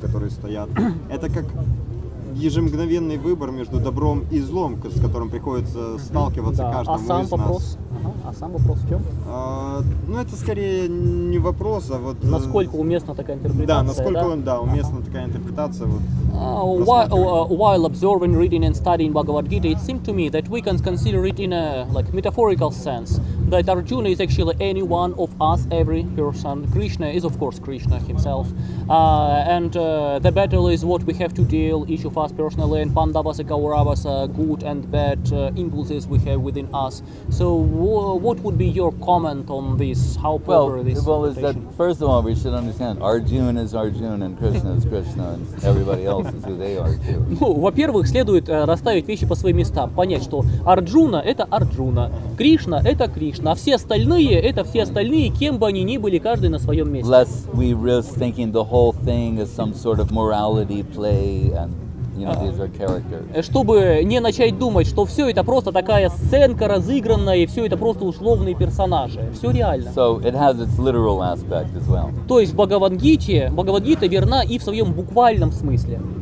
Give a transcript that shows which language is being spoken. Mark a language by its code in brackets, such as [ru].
[ru] которые стоят, это как ежемгновенный выбор между добром и злом, с которым приходится сталкиваться mm-hmm. каждому из нас. А сам вопрос в чем? Это скорее не вопрос, а вот... Насколько уместна такая интерпретация, да? Уместна uh-huh. такая интерпретация, вот... [en] While observing, reading and studying Bhagavad Gita, it seemed to me that we can consider it in a metaphorical sense, that Arjuna is actually any one of us, every person. Krishna is of course Krishna himself. The battle is what we have to deal, each of us personally, and Pandavas and Kauravas, good and bad impulses we have within us. So what would be your comment on this? How proper Is that, first of all, we should understand Arjuna is Arjuna and Krishna is Krishna and everybody else. [ru] Во-первых, следует расставить вещи по своим местам, понять, что Арджуна – это Арджуна, Кришна – это Кришна, а все остальные – это все остальные, кем бы они ни были, каждый на своем месте. [en] Lest we risk thinking the whole thing is some sort of morality play and, these are characters. [ru] Чтобы не начать думать, что все это просто такая сценка разыгранная, и все это просто условные персонажи, все реально. [en] So it has its literal aspect as well. [ru] То есть Бхагавад-гита верна и в своем буквальном смысле.